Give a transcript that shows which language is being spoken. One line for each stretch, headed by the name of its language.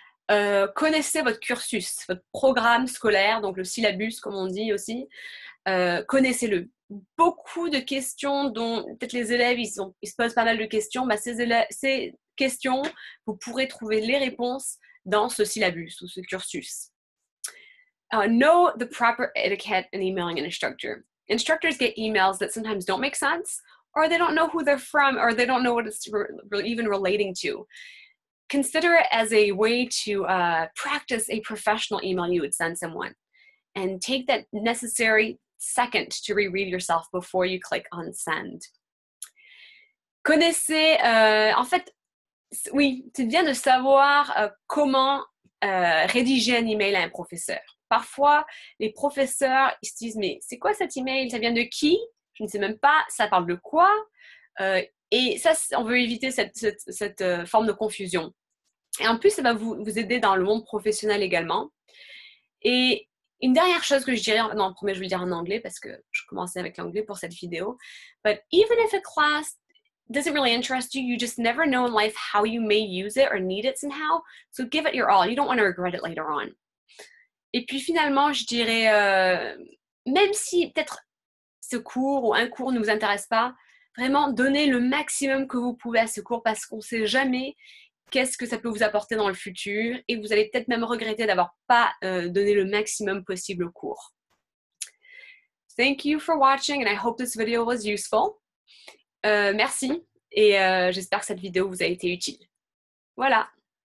French: Connaissez votre cursus, votre programme scolaire, donc le syllabus, comme on dit aussi. Connaissez-le. Beaucoup de questions dont peut-être les élèves ils se posent pas mal de questions, bah ces questions, vous pourrez trouver les réponses dans ce syllabus ou ce cursus.
English: Know the proper etiquette in emailing an instructor. Instructors get emails that sometimes don't make sense, or they don't know who they're from, or they don't know what it's even relating to. Consider it as a way to practice a professional email you would send someone. And take that necessary second to reread yourself before you click on send.
French: Connaissez, en fait, oui, c'est bien de savoir comment rédiger un email à un professeur. Parfois, les professeurs, ils se disent, mais c'est quoi cet email? Ça vient de qui? Je ne sais même pas, ça parle de quoi? Et ça, on veut éviter cette forme de confusion. Et en plus, ça va vous aider dans le monde professionnel également. Et une dernière chose que je dirais, non, promets, je vais le dire en anglais parce que je commençais avec l'anglais pour cette vidéo.
English: But even if a class doesn't really interest you, you just never know in life how you may use it or need it somehow. So give it your all. You don't want to regret it later on.
French: Et puis finalement, je dirais, même si peut-être ce cours ou un cours ne vous intéresse pas, vraiment donnez le maximum que vous pouvez à ce cours parce qu'on ne sait jamais qu'est-ce que ça peut vous apporter dans le futur et vous allez peut-être même regretter d'avoir pas donné le maximum possible au cours.
English: Thank you for watching and I hope this video was useful.
French: Merci et j'espère que cette vidéo vous a été utile. Voilà!